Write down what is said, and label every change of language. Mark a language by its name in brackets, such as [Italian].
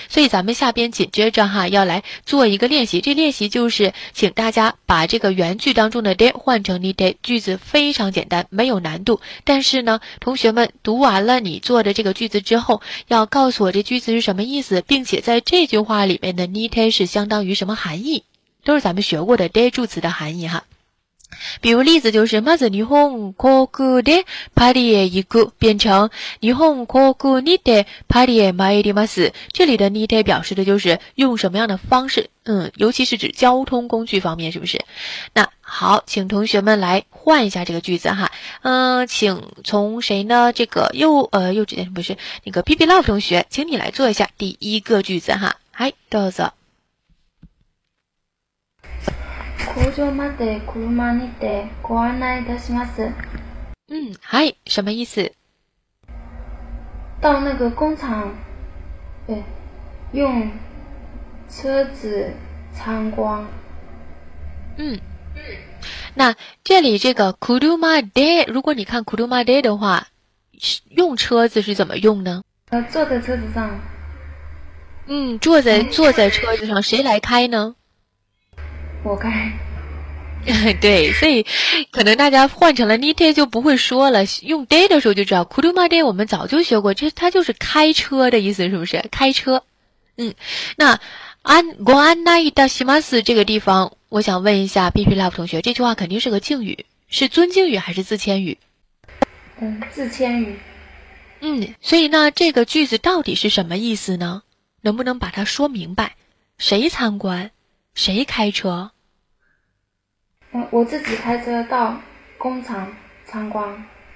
[Chinese] 所以咱们下边紧接着哈要来做一个练习。这练习就是请大家把这个原句当中的で换成にて。句子非常简单，没有难度。但是呢同学们读完了你做的这个句子之后，要告诉我这句子是什么意思，并且在这句话里面的にて是相当于什么含义。都是咱们学过的で助词的含义哈。比如例子就是， [Japanese] まず日本航空でパリへ行く， [Chinese] 变成 [Japanese] 日本航空にてパリへ参ります。 [Chinese] 这里的にて表示的就是用什么样的方式，尤其是指交通工具方面，是不是？那好，请同学们来换一下这个句子哈。请从谁呢？这个又直接不是那个 PP Love 同学，请你来做一下第一个句子哈。 [Japanese] はい、どうぞ。工場まで車にてご案内いたします。 [Chinese] はい、什么意思？到那个工厂用车子参观。那这里这个車で，如果你看車で的话，用车子是怎么用呢？坐在车子上。坐在车子上，谁来开呢？我开。对，所以可能大家换成了 nite 就不会说了，用 day 的时候就知道 kuruma day 我们早就学过，这它就是开车的意思，是不是？开车。那ご案内いたします这个地方，我想问一下 PP Love 同学，这句话肯定是个敬语，是尊敬语还是自谦语？自谦语。所以呢这个句子到底是什么意思呢？能不能把它说明白？谁参观？谁开车？我自己开车到工厂参观。